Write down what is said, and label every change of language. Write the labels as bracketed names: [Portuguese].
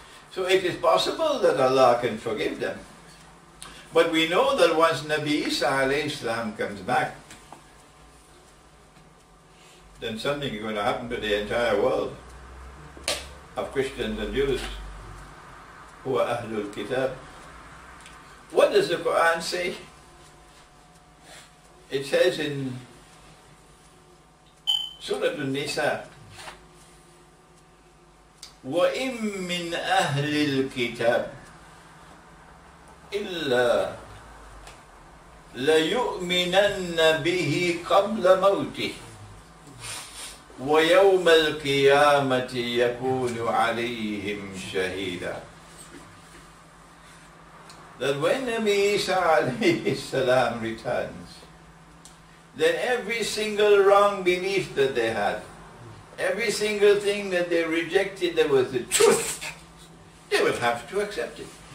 [English] So it is possible that Allah can forgive them. But we know that once Nabi Isa alayhi salam comes back, then something is going to happen to the entire world of Christians and Jews who are Ahlul Kitab. What does the Quran say? It says in Surah An-Nisa, [Arabic] وَإِمْ مِنْ أَهْلِ الْكِتَابِ إِلَّا لَيُؤْمِنَنَّ بِهِ قَبْلَ مَوْتِهِ وَيَوْمَ الْقِيَامَةِ يَكُونُ عَلَيْهِمْ شَهِيدًا. [English] That when Nabi Isa alayhi salam returns, then every single wrong belief that they had, every single thing that they rejected that was the truth, they would have to accept it.